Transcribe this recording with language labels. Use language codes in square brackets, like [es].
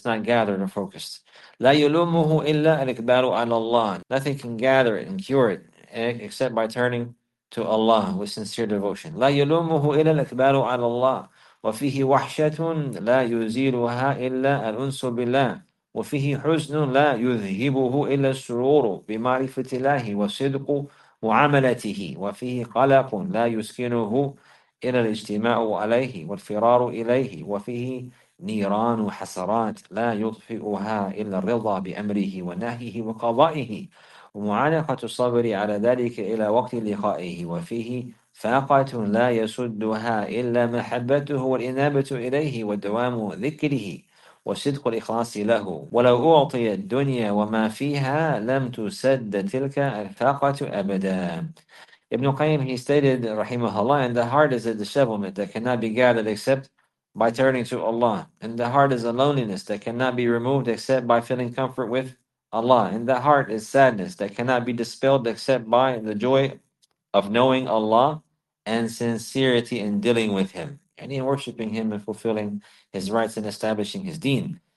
[en] It's not gathered or focused. [ar] La yulumuhu illa al-ikbaru ala Allah. [en] Nothing can gather it and cure it except by turning to Allah with sincere devotion. [ar] La yulumuhu illa al-ikbaru ala Allah. وفيه وحشة لا يزيلها إلا الأنس بالله وفيه حزن لا يذهبه إلا السرور بمعرفة الله وصدق معاملته وفيه قلق لا يسكنه إلا الاجتماع عليه والفرار إليه وفيه نيران حسرات لا يطفئها إلا الرضا بأمره ونهيه وقضائه ومعانقة الصبر على ذلك إلى وقت لقائه وفيه فاقة لا يسدها إلا محبته والإنابة إليه ودوام ذكره وصدق الإخلاص له ولو أعطي الدنيا وما فيها لم تسد تلك الفاقة أبدا. [en] Ibn Qayyim, he stated, rahimahullah, and the heart is a dishevelment that cannot be gathered except by turning to Allah. And the heart is a loneliness that cannot be removed except by feeling comfort with Allah. And the heart is sadness that cannot be dispelled except by the joy of knowing Allah and sincerity in dealing with Him, and in worshipping Him and fulfilling His rights and establishing His deen.